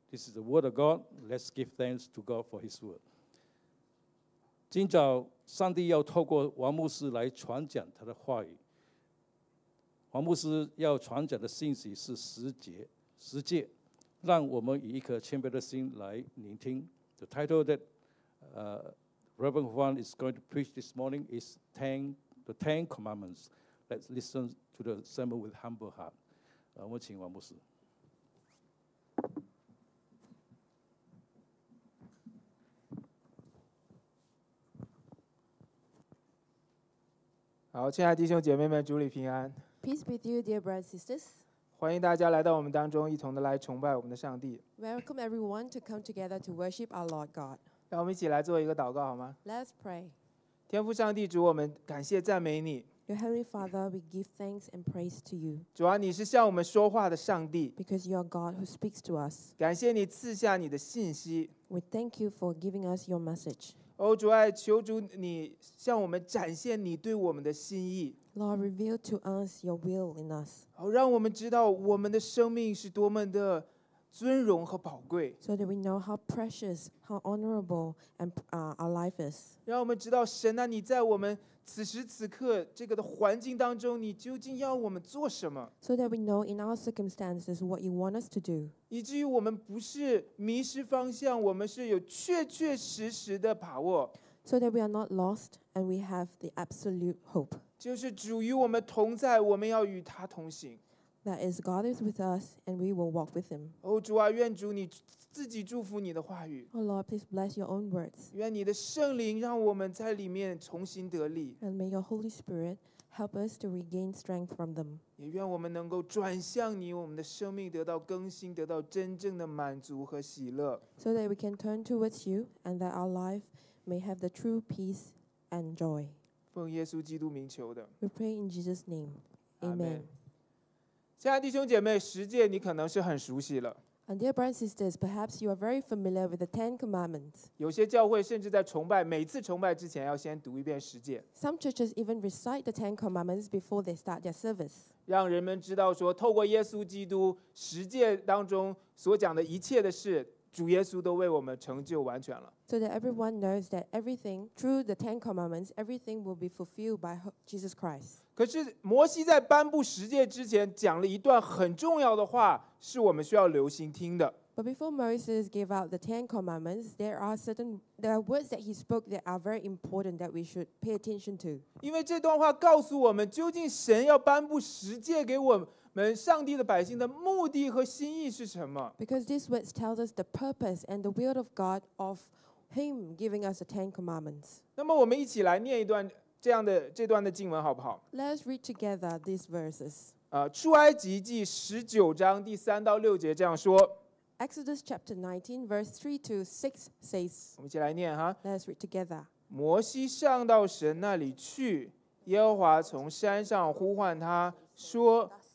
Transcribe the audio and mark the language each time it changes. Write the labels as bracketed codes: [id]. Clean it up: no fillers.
[en] This is the word of God. Let's give thanks to God for his word. [zh] 今早上帝要透过王牧师来传讲他的话语。王牧师要传讲的信息是十诫，让我们以一颗谦卑的心来聆听。 [en] The title that Reverend Juan is going to preach this morning is the Ten Commandments. Let's listen to the sermon with humble heart. [zh] 我们请王牧师。好，亲爱的弟兄姐妹们，主里平安。 [en] Peace be with you, dear brothers and sisters. [zh] 欢迎大家来到我们当中，一同的来崇拜我们的上帝。 [en] Welcome everyone to come together to worship our Lord God. [zh] 让我们一起来做一个祷告好吗 [en] ？Let's pray. [zh] 天父上帝主，我们感谢赞美你。 [en] Your Heavenly Father, we give thanks and praise to you. [zh] 主啊，你是向我们说话的上帝。 [en] Because you are God who speaks to us. [zh] 感谢你赐下你的信息。 [en] We thank you for giving us your message. [zh] 哦，主爱，求主你向我们展现你对我们的心意。 [en] Lord, reveal to us your will in us. [zh] 哦，让我们知道我们的生命是多么的。尊荣和宝贵 [en] so that we know how precious, how honorable and, our life is. [zh] 让我们知道神啊，你在我们此时此刻这个的环境当中，你究竟要我们做什么 [en] so that we know in our circumstances what you want us to do. [zh] 以至于我们不是迷失方向，我们是有确确实实的把握 [en] so that we are not lost and we have the absolute hope. [zh] 就是主与我们同在，我们要与他同行。 [en] That is God is with us, and we will walk with Him. [zh] Oh, 主啊，愿主你自己祝福你的话语。 [en] Oh Lord, please bless your own words. [zh] 愿你的圣灵让我们在里面重新得力。 [en] And may your Holy Spirit help us to regain strength from them. [zh] 也愿我们能够转向你，我们的生命得到更新，得到真正的满足和喜乐。 [en] So that we can turn towards you, and that our life may have the true peace and joy. [zh] 奉耶稣基督名求的。 [en] We pray in Jesus' name. Amen. Amen. [zh] 亲爱的弟兄姐妹，十诫你可能是很熟悉了。 [en] And dear brothers and sisters, perhaps you are very familiar with the Ten Commandments. [zh] 有些教会甚至在崇拜，每次崇拜之前要先读一遍十诫。 [en] Some churches even recite the Ten Commandments before they start their service. [zh] 让人们知道说，透过耶稣基督十诫当中所讲的一切的事，主耶稣都为我们成就完全了。 [en] So that everyone knows that everything through the Ten Commandments, everything will be fulfilled by Jesus Christ. [zh] 可是摩西在颁布十诫之前讲了一段很重要的话，是我们需要留心听的。 [en] But before Moses gave out the Ten Commandments, there are words that he spoke that are very important that we should pay attention to. [zh] 因为这段话告诉我们，究竟神要颁布十诫给我们。 [en] Because these words tell us the purpose and the will of God of Him giving us the Ten Commandments. [zh] 那么我们一起来念一段这样的这段的经文好不好 [en] ？Let's read together these verses. [zh] 出埃及记十九章第三到六节这样说。 [en] Exodus chapter 19, verse 3 to 6 says. [zh] 我们一起来念哈。 [en] Let's read together. [zh] 摩西上到神那里去，耶和华从山上呼唤他说。